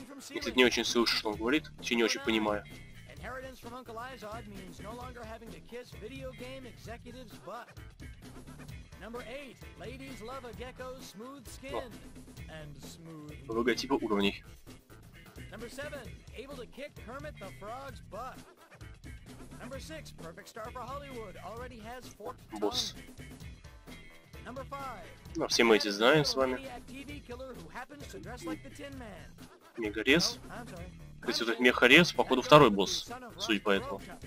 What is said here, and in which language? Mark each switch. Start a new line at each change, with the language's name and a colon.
Russian: Я, кстати, не очень слышу, что он говорит, вообще не очень понимаю.
English: Inheritance from Uncle Izod means no longer having to kiss video game executives' butt. Number 8. Ladies love a gecko's smooth skin and smooth...
Russian: Логотипы уровней.
English: Number 7. Able to kick Kermit the Frog's butt. Number 6. Perfect star for Hollywood. Already has forked tongue.
Russian: Босс.
English: Number 5.
Russian: Ну, все мы эти знаем с вами.
English: TV killer who happens to dress like the Tin Man.
Russian: Мегарез. То есть этот мехарез, походу, второй босс, судя по этому.